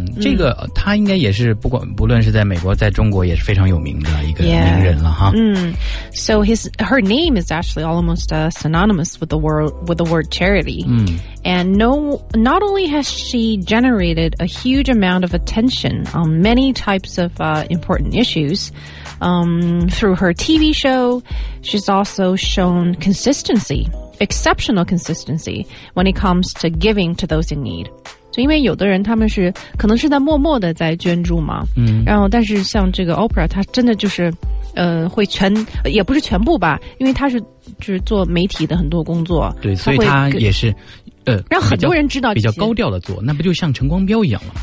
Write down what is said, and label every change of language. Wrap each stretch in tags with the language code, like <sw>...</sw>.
<zh>这个她应该也是不论是在美国在中国也是非常有名的一个名人了哈。</zh> <en>Yeah. So her name is actually almost synonymous with the word charity. And not only has she generated a huge amount of attention on many types of important issues through her TV show, she's also shown consistency, exceptional consistency when it comes to giving to those in need.</en> <zh>因为有的人他们是可能是在默默的在捐助嘛 然后但是像这个Oprah 她真的就是会全也不是全部吧 因为她是做媒体的很多工作对所以她也是让很多人知道比较高调的做那不就像陈光标一样吗</zh>